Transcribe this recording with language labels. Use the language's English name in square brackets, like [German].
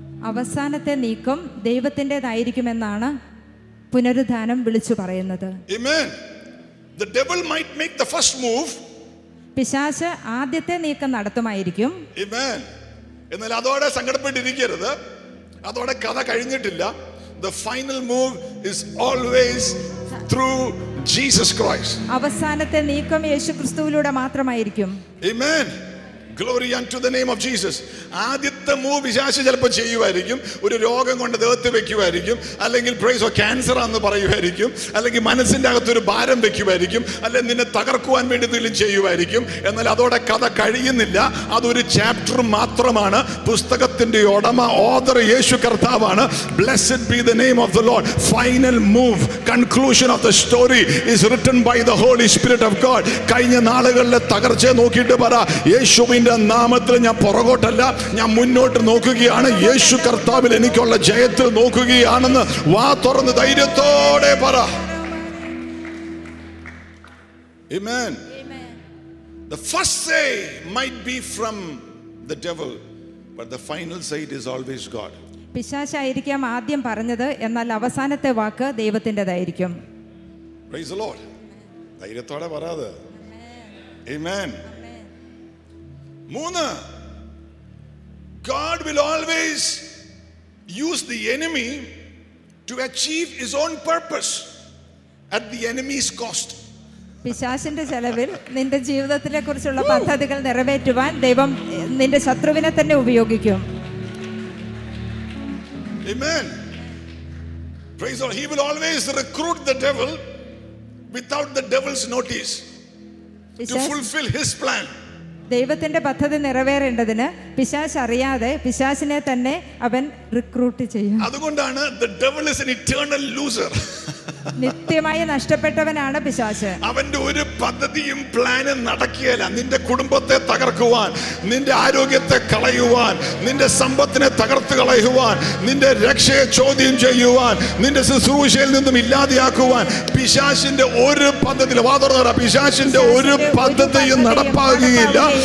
[Malayalam] അവസാനത്തെ നീക്കം ദൈവത്തിന്റേതായിരിക്കും എന്നാണ് പുനരുദ്ധാനം വിളിച്ചു പറയുന്നത്. [English] Amen. The devil might make the first move. [Malayalam] പിശാച് ആദ്യത്തെ നീക്കം നടത്തുമായിരിക്കും. [English] Amen. [Malayalam] എന്നാൽ അതോടെ സങ്കടപ്പെട്ടിരിക്കരുത്. അതോടെ കഥ കഴിഞ്ഞിട്ടില്ല. [English] The final move is always through Jesus Christ. [Malayalam] അവസാനത്തെ നീക്കം യേശുക്രിസ്തുവിലൂടെ മാത്രമായിരിക്കും. [English] Amen. Glory unto the name of Jesus. [Malayalam] ആദ്യത്തെ മൂവ് വിശാശ ചിലപ്പോൾ ചെയ്യുമായിരിക്കും. ഒരു രോഗം കൊണ്ട് ദേഹത്ത് വെക്കുമായിരിക്കും, അല്ലെങ്കിൽ [English] price of cancer [Malayalam] ആണെന്ന് പറയുമായിരിക്കും, അല്ലെങ്കിൽ മനസ്സിന്റെ അകത്തൊരു ഭാരം വെക്കുമായിരിക്കും, അല്ലെങ്കിൽ നിന്നെ തകർക്കുവാൻ വേണ്ടി എന്തെങ്കിലും ചെയ്യുമായിരിക്കും. എന്നാൽ അതോടെ കഥ കഴിയുന്നില്ല. അതൊരു ചാപ്റ്റർ മാത്രമാണ്. പുസ്തകത്തിന്റെ ഉടമ ഓദർ യേശു കർത്താവാണ്. [English] Blessed be the name of the Lord. Final move, conclusion of the story is written by the Holy Spirit of God. [Malayalam] കഴിഞ്ഞ നാളുകളിലെ തകർച്ച നോക്കിയിട്ട് പറ യേശു നാമത്തിൽ ഞാൻ പുറകോട്ടല്ല, ഞാൻ മുന്നോട്ട് നോക്കുകയാണ്. യേശു കർത്താവിൽ എനിക്കുള്ള ജയത്തിൽ നോക്കുകയാണെന്ന് വാ തുറന്ന് ധൈര്യത്തോടെ പറ. [English] Amen. The first say might be from the devil, but the final say is always God. [Malayalam] പിശാചായിരിക്കാം ആദ്യം പറഞ്ഞത്, എന്നാൽ അവസാനത്തെ വാക്ക് ദൈവത്തിന്റേതായിരിക്കും. [English] Praise the Lord. [Malayalam] ധൈര്യത്തോടെ പറയാത്. [English] Amen. Muna, God will always use the enemy to achieve his own purpose at the enemy's cost. [Malayalam] പിശാചിന്റെ ചെലവിൽ നിന്റെ ജീവിതത്തിലെ കുറിച്ചുള്ള പദ്ധതികൾ നിറവേറ്റുവാൻ ദൈവം നിന്റെ ശത്രുവിനെ തന്നെ ഉപയോഗിക്കും. [English] Amen. Praise God. He will always recruit the devil without the devil's notice to fulfill his plan. [Malayalam] ദൈവത്തിന്റെ പദ്ധതി നിറവേറേണ്ടതിന് പിശാച് അറിയാതെ പിശാചിനെ തന്നെ അവൻ റിക്രൂട്ട് ചെയ്യും. അതുകൊണ്ടാണ് [English] the devil is an eternal loser. [Malayalam] നിത്യമായി നഷ്ടപ്പെട്ടവനാണ് പിശാച്. അവന്റെ ഒരു പദ്ധതിയും പ്ലാനും നടക്കുകയല്ല. നിന്റെ കുടുംബത്തെ തകർക്കുവാൻ, നിന്റെ ആരോഗ്യത്തെ കളയുവാൻ, നിന്റെ സമ്പത്തിനെ തകർത്ത് കളയുവാൻ, നിന്റെ രക്ഷയെ ചോദ്യം ചെയ്യുവാൻ, നിന്റെ ശുശ്രൂഷയിൽ നിന്നും ഇല്ലാതെയാക്കുവാൻ പിശാചിന്റെ ഒരു പദ്ധതി പിശാചിന്റെ ഒരു പദ്ധതിയും നടപ്പാകുകയില്ല.